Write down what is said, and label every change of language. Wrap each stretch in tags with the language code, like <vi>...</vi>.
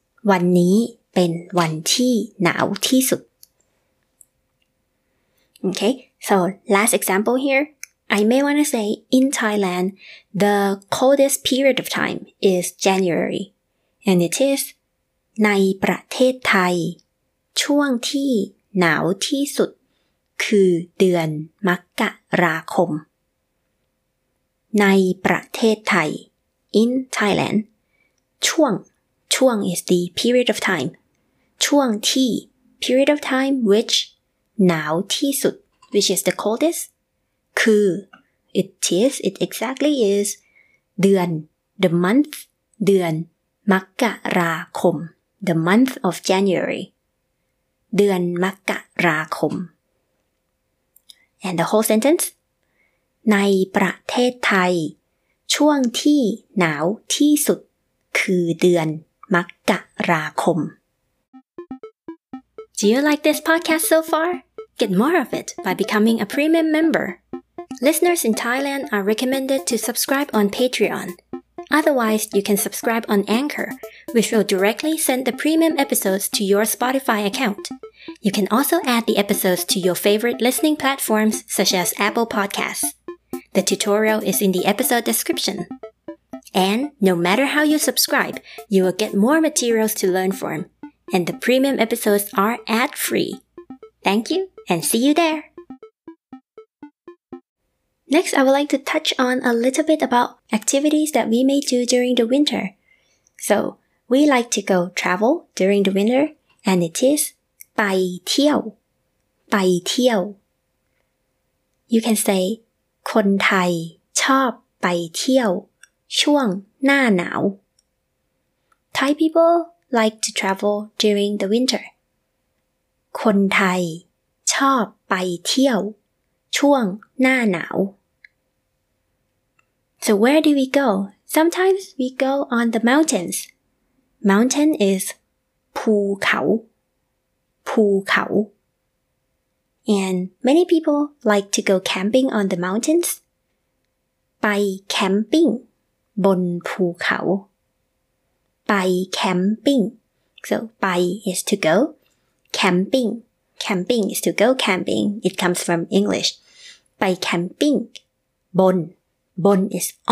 <th>วันนี้เป็นวันที่หนาวที่สุด</th> <en>Okay, so last example here. I may want to say, in Thailand, the coldest period of time is January. And it is</en> <th>ในประเทศไทยช่วงที่หนาวที่สุดคือเดือนมกราคมในประเทศไทย</th> <en>in Thailand ช่วง is the period of time ช่วงที่ period of time which</en> <th>หนาวที่สุด</th> <en>which is the coldestคือ it is it exactly is เดือน the month</en> <th>เดือนมกราคม</th> <en>the month of January เดือนมกราคม and the whole sentence</en> <th>ในประเทศไทยช่วงที่หนาวที่สุดคือเดือนมกราคม</th> <en>Do you like this podcast so far? Get more of it by becoming a premium member. Listeners in Thailand are recommended to subscribe on Patreon. Otherwise, you can subscribe on Anchor, which will directly send the premium episodes to your Spotify account. You can also add the episodes to your favorite listening platforms such as Apple Podcasts. The tutorial is in the episode description. And no matter how you subscribe, you will get more materials to learn from, and the premium episodes are ad-free. Thank you, and see you there! Next, I would like to touch on a little bit about activities that we may do during the winter. So, we like to go travel during the winter, and it is</en> <th>ไปเที่ยว ไปเที่ยว</th> <en>You can say</en> <th>คนไทยชอบไปเที่ยวช่วงหน้าหนาว</th> <en>Thai people like to travel during the winter.</en> <th>คนไทยชอบไปเที่ยวช่วงหน้าหนาว</th> <en>So where do we go? Sometimes we go on the mountains. Mountain is</en> <th>ภูเขาภูเขา</th> <en>And many people like to go camping on the mountains.</en> <th>ไปแคมปิ้งบนภูเขาไปแคมปิ้ง</th> <en>So ไป is to go. Camping is to go camping. It comes from English.</en> <th>ไปแคมปิ้งบนบน is</th>